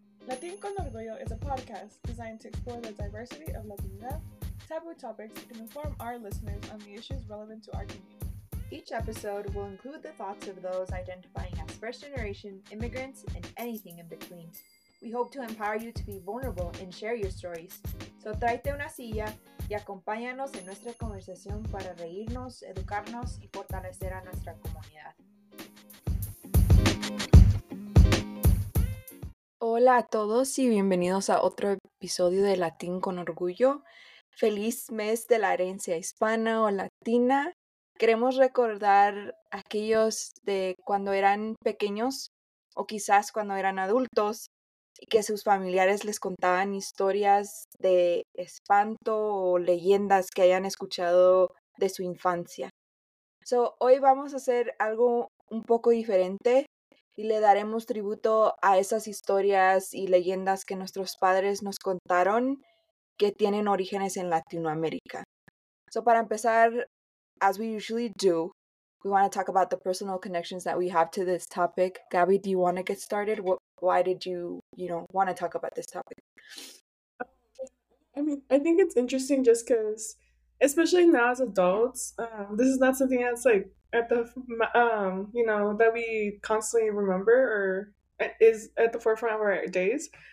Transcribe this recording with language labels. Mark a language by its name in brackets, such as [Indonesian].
[English] Latin con Orgullo is a podcast designed to explore the diversity of Latinidad, taboo topics, and inform our listeners on the issues relevant to our community. Each episode will include the thoughts of those identifying as first generation, immigrants, and anything in between. We hope to empower you to be vulnerable and share your stories. [Spanish] So tráete una silla y acompáñanos en nuestra conversación para reírnos, educarnos, y fortalecer a nuestra comunidad. Hola a todos y bienvenidos a otro episodio de Latín con Orgullo. Feliz mes de la herencia hispana o latina. Queremos recordar a aquellos de cuando eran pequeños o quizás cuando eran adultos y que sus familiares les contaban historias de espanto o leyendas que hayan escuchado de su infancia. So, hoy vamos a hacer algo un poco diferente y le daremos tributo a esas historias y leyendas que nuestros padres nos contaron que tienen orígenes en Latinoamérica. [English] So, [Spanish] para empezar, [English] as we usually do, we want to talk about the personal connections that we have to this topic. Gabby, do you want to get started? Why did you, want to talk about this topic? I mean, I think it's interesting just because, especially now as adults, this is not something that's like at the, that we constantly remember or is at the forefront of our days.